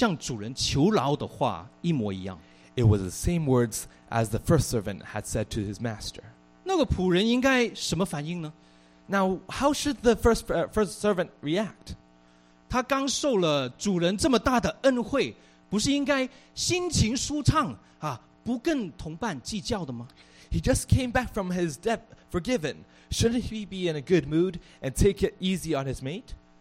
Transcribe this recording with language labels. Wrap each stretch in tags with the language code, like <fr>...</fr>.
<zh>和刚才那个仆人之前向主人求饶的话一模一样。</zh> <en>It was the same words as the first servant had said to his master.</en> <zh>那个仆人应该什么反应呢?</zh> <en>Now how should the first servant react?</en> <zh>他刚受了主人这么大的恩惠, 不是应该心情舒畅, 啊, 不跟同伴计较的吗?</zh> <en>He just came back from his debt forgiven. Shouldn't he be in a good mood and take it easy on his mate?</en>